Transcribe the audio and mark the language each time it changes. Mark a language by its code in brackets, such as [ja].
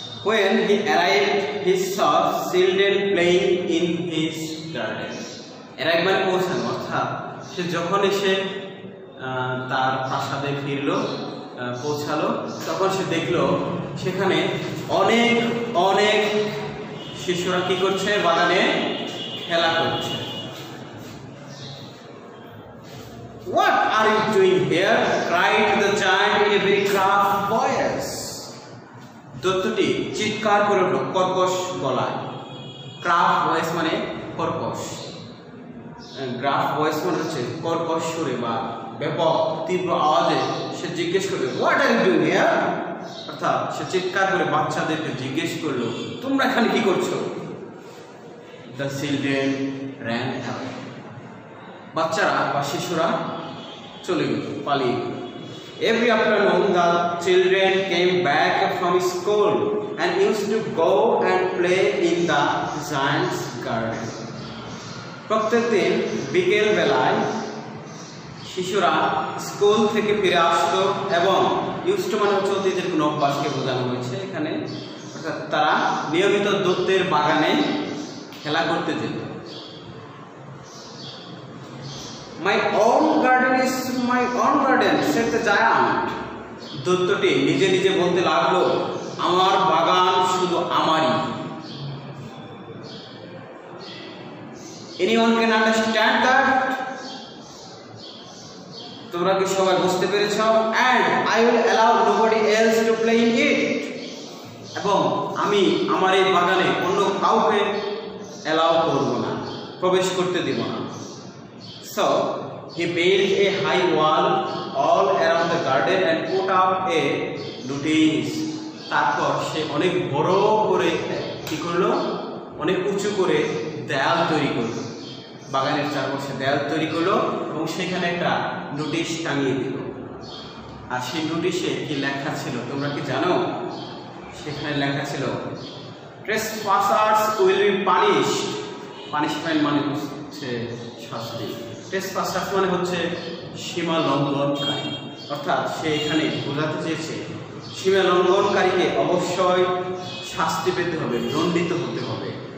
[en] When he arrived, he saw children playing in his garden. Arrived by [bn] পৌঁছানো, অর্থাৎ সে যখন এসে তার প্রাসাদে ফিরল, পৌঁছালো, তখন সে দেখলো সেখানে অনেক অনেক শিশুরা কি করছে, বাগানে খেলা করছে। [en] What are you doing here? cried the giant in a very gruff voice. [bn] দত্তটি চিৎকার করে উঠল কর্কশ গলায়। গ্রাফ ভয়েস মানে কর্কশ, গ্রাফ ভয়েস মানে হচ্ছে কর্কশ সুরে বা ব্যাপক তীব্র আওয়াজে সে জিজ্ঞেস করবে, [en] what are you doing here, [bn] অর্থাৎ সে চিৎকার করে বাচ্চাদেরকে জিজ্ঞেস করলো, তোমরা এখানে কি করছো? [en] the children ran away, [bn] বাচ্চারা বা শিশুরা চলে গেল, পালিয়ে গেল। [en] Every afternoon the children came back from school and used to go and play in the giant's garden. [bn] প্রত্যেকদিন বিকেল বেলায় শিশুরা স্কুল থেকে ফিরে আসত এবং ইউজড মানে হচ্ছে অতীতের কোনো অভ্যাসকে বোঝানো হয়েছে এখানে, অর্থাৎ তারা নিয়মিত দত্তের বাগানে খেলা করতে যেত। [en] my own garden is my own garden, [bn] সে তো জায়ান্ট, দত্তটি নিজে নিজে বলতে লাগলো, আমার বাগান শুধু আমারই। [en] anyone can understand that, [bn] তোমরা কি সবাই বুঝতে পেরেছ? [en] and I will allow nobody else to play in it, [bn] এবং আমি আমার এই বাগানে অন্য কাউকে অ্যালাউ করব না, প্রবেশ করতে দিব না। [en] So he built a high wall all around the garden and put up a notice. [bn] তারপর সে অনেক বড় করে কি করলো, অনেক উঁচু করে দেয়াল তৈরি করলো, বাগানের চারপাশে দেয়াল তৈরি করলো এবং সেখানে একটা নোটিশ টাঙিয়ে দিল। আর সেই নোটিশে কি লেখা ছিল তোমরা কি জানো? সেখানে লেখা ছিল, [en] trespassers will be punished, [bn] পানিশমেন্ট মানে হচ্ছে শাস্তি, ট্রেসপাসার্স মানে হচ্ছে সীমা লঙ্ঘনকারী, অর্থাৎ সে এখানে বোঝাতে চেয়েছে সীমা লঙ্ঘনকারীকে অবশ্যই শাস্তি পেতে হবে, দণ্ডিত হতে হবে।